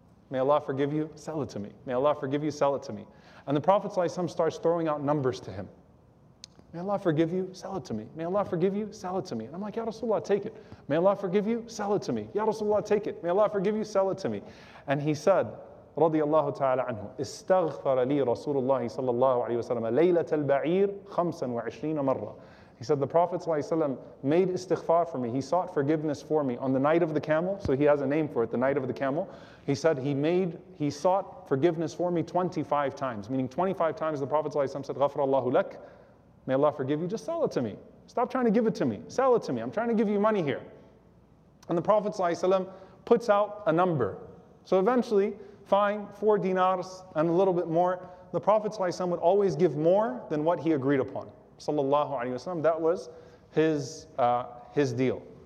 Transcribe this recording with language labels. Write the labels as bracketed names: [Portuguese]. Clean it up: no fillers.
[English] May Allah forgive you, sell it to me. May Allah forgive you, sell it to me. And the Prophet ﷺ starts throwing out numbers to him. May Allah forgive you, sell it to me. May Allah forgive you, sell it to me. And I'm like, ya Rasulullah, take it. May Allah forgive you, sell it to me. Ya Rasulullah, take it. May Allah forgive you, sell it to me. And he said, [Arabic] رضي الله تعالى عنه استغفر لي رسول الله صلى الله عليه وسلم ليلة البعير 25 مرة. [English] He said the Prophet صلى الله عليه وسلم made istighfar for me. He sought forgiveness for me on the night of the camel. So he has a name for it, the night of the camel. He said he sought forgiveness for me 25 times. Meaning 25 times the Prophet صلى الله عليه وسلم said [Arabic] غفر الله لك. [English] May Allah forgive you. Just sell it to me. Stop trying to give it to me. Sell it to me. I'm trying to give you money here. And the Prophet صلى الله عليه وسلم puts out a number. So eventually, fine, 4 dinars and a little bit more. The Prophet ﷺ would always give more than what he agreed upon. Sallallahu alayhi wa sallam, that was his deal.